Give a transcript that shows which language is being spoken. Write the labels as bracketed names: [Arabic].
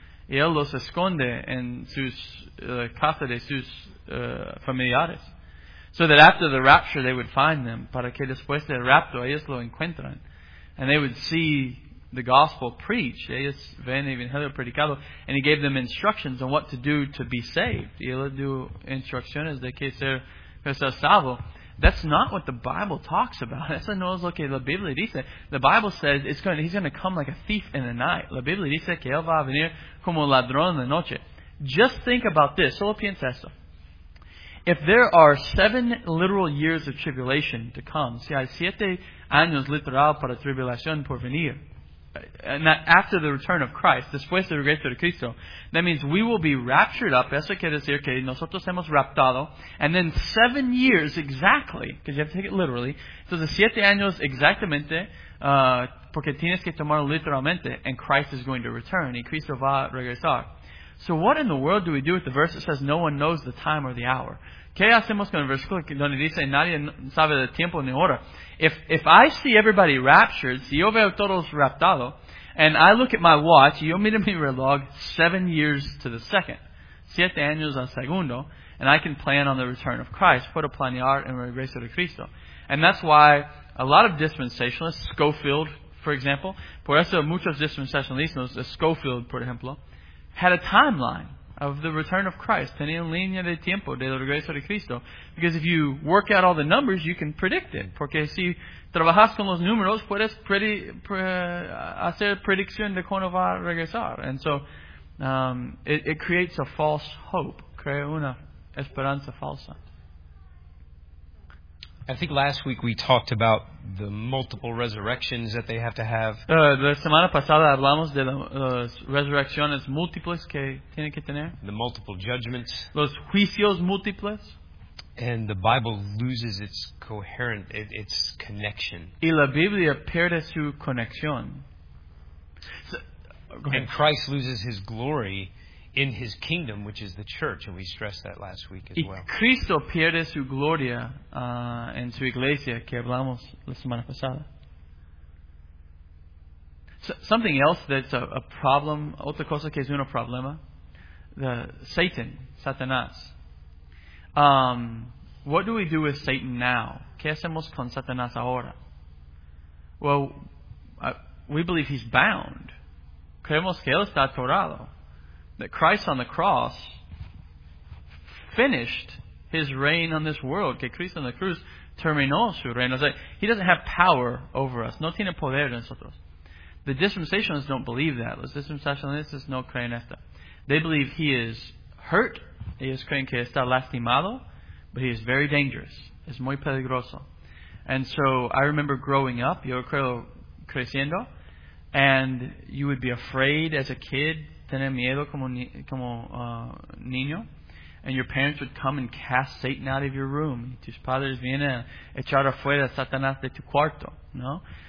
[Spanish] Y él los esconde en sus casa de sus familiares, [English] so that after the rapture they would find them, [Spanish] para que después del rapto ellos lo encuentren, [English] and they would see the gospel preached. [Spanish] Ellos ven el evangelio predicado, [English] and he gave them instructions on what to do to be saved. [Spanish] Y él les dio instrucciones de qué ser que sea salvo. [English] That's not what the Bible talks about. [Spanish] Eso no es lo que la Biblia dice. [English] The Bible says he's going to come like a thief in the night. [Spanish] La Biblia dice que él va a venir como ladrón en la noche. [English] Just think about this. [Spanish] Solo piensa esto. [English] If there are 7 literal years of tribulation to come, [Spanish] si hay 7 años literal para tribulación por venir, [English] and that after the return of Christ, [Spanish] después del regreso de Cristo, [English] that means we will be raptured up. [Spanish] Eso quiere decir que nosotros hemos raptado. [English] And then 7 years exactly, because you have to take it literally. So the 7 [Spanish] años exactamente, porque tienes que tomar literalmente, [English] and Christ is going to return. [Spanish] Y Cristo va a regresar. [English] So what in the world do we do with the verse that says no one knows the time or the hour? [Spanish] ¿Qué hacemos con el versículo donde dice nadie sabe el tiempo ni hora? [English] If I see everybody raptured, [Spanish] si yo veo todos raptados, [English] and I look at my watch, [Spanish] yo miro mi reloj [English] 7 years to the second, [Spanish] 7 años al segundo, [English] and I can plan on the return of Christ, [Spanish] puedo planear en regreso de Cristo. [English] And that's why a lot of dispensationalists, Schofield, for example, [Spanish] por eso muchos dispensationalistas, Schofield, por ejemplo, [English] had a timeline of the return of Christ. [Spanish] Tenía línea de tiempo del regreso de Cristo. [English] Because if you work out all the numbers, you can predict it. [Spanish] Porque si trabajas con los números, puedes hacer predicción de cuándo va a regresar. [English] And so, it creates a false hope. [Spanish] Crea una esperanza falsa. [English] I think last week we talked about the multiple resurrections that they have to have. [Spanish] La semana pasada hablamos de las resurrecciones múltiples que tienen que tener. [English] The multiple judgments. [Spanish] Los juicios múltiples. [English] And the Bible loses its its connection. [Spanish] Y la Biblia pierde su conexión. [English] And Christ loses his glory in his kingdom, which is the church, and we stressed that last week as well. [Spanish] Cristo pierde su gloria en su iglesia, que hablamos la semana pasada. [English] So, something else that's a problem, [Spanish] otra cosa que es un problema, Satanás. [English] What do we do with Satan now? [Spanish] ¿Qué hacemos con Satanás ahora? [English] Well, we believe he's bound. [Spanish] Creemos que él está atorado. [English] That Christ on the cross finished his reign on this world. [Spanish] Que Cristo en la cruz terminó su reino. O sea, [English] he doesn't have power over us. [Spanish] No tiene poder en nosotros. [English] The dispensationalists don't believe that. [Spanish] Los dispensationalistas no creen esto. [English] They believe he is hurt. [Spanish] Ellos creen que está lastimado. [English] But he is very dangerous. [Spanish] Es muy peligroso. [English] And so I remember growing up. [Spanish] Yo creo creciendo. [English] And you would be afraid as a kid. [Spanish] Tener miedo como niño, [English] and your parents would come and cast Satan out of your room. [Spanish] Tus padres vienen a echar afuera Satanás de tu cuarto, no?